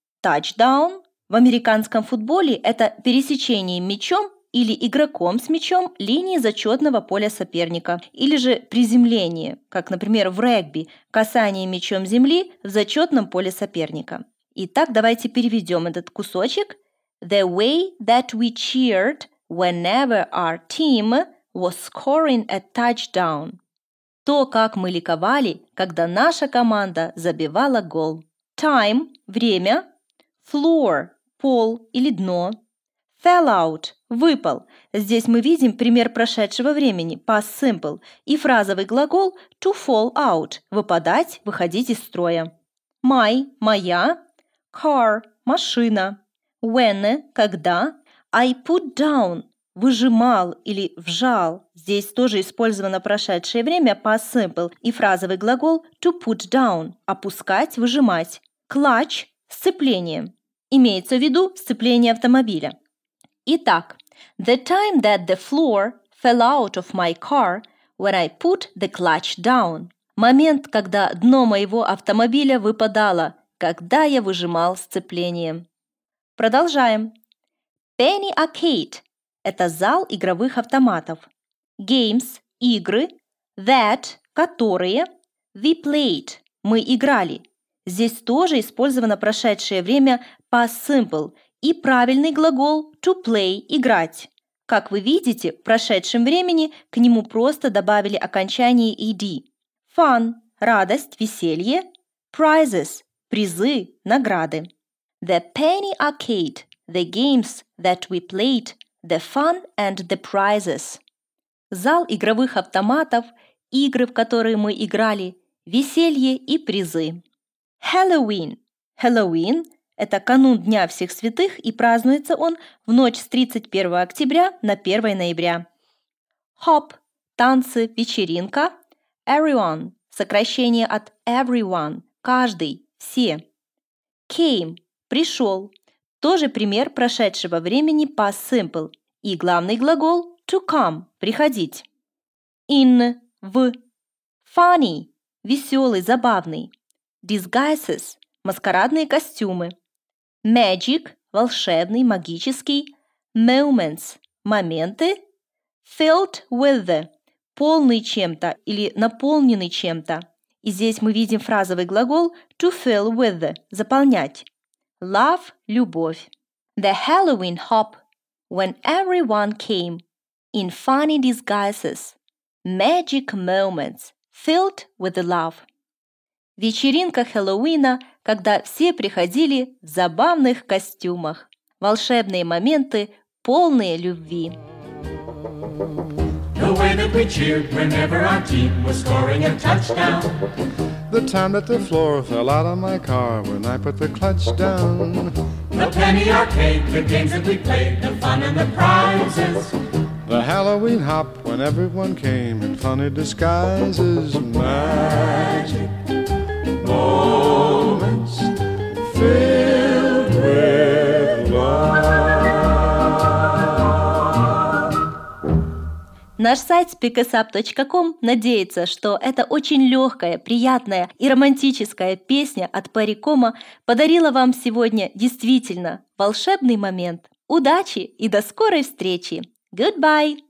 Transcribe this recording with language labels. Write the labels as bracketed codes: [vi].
[ru] Touchdown в американском футболе – это пересечение мячом или игроком с мячом линии зачетного поля соперника, или же приземление, как, например, в регби, касание мячом земли в зачетном поле соперника. Итак, давайте переведем этот кусочек. [en] The way that we cheered whenever our team was scoring a touchdown. [ru] То, как мы ликовали, когда наша команда забивала гол. Time – время. Floor – пол или дно. [en] Fell out – выпал. [ru] Здесь мы видим пример прошедшего времени – past simple. И фразовый глагол [en] to fall out [ru] – выпадать, выходить из строя. My – моя. Car – машина. When – когда. [en] I put down [ru] – выжимал или вжал. Здесь тоже использовано прошедшее время – past simple. И фразовый глагол [en] to put down [ru] – опускать, выжимать. Clutch – сцепление. Имеется в виду сцепление автомобиля. [en] Итак, the time that the floor fell out of my car when I put the clutch down. [ru] Момент, когда дно моего автомобиля выпадало, когда я выжимал сцепление. Продолжаем. Penny Arcade – это зал игровых автоматов. [en] Games – игры. That – которые. We played – [ru] мы играли. Здесь тоже использовано прошедшее время past simple и правильный глагол to play – играть. Как вы видите, в прошедшем времени к нему просто добавили окончание ed. Fun – радость, веселье. Prizes – призы, награды. [en] The penny arcade – the games that we played, the fun and the prizes. [ru] Зал игровых автоматов, игры, в которые мы играли, веселье и призы. Хэллоуин. Хэллоуин – это канун Дня Всех Святых, и празднуется он в ночь с 31 октября на 1 ноября. Хоп – танцы, вечеринка. Everyone – сокращение от everyone – каждый, все. Came – пришел. Тоже пример прошедшего времени past simple. И главный глагол [en] to come [ru] – приходить. In – в. Funny – веселый, забавный. Disguises – маскарадные костюмы. Magic – волшебный, магический. Moments – моменты. [en] Filled with the [ru] – полный чем-то или наполненный чем-то. И здесь мы видим фразовый глагол [en] to fill with the [ru] – заполнять. Love – любовь. [en] The Halloween hop – when everyone came in funny disguises. Magic moments – filled with the love. [ru] Вечеринка Хэллоуина, когда все приходили в забавных костюмах. Волшебные моменты, полные любви. [en] The way that we cheered whenever our team was scoring a touchdown. The time that the floor fell out of my car when I put the clutch down. The penny arcade, the games that we played, the fun and the prizes. The Halloween hop when everyone came in funny disguises. Magic moments filled with love. [ru] Наш сайт speakusup.com надеется, что эта очень легкая, приятная и романтическая песня от Парикома подарила вам сегодня действительно волшебный момент. Удачи и до скорой встречи! Goodbye!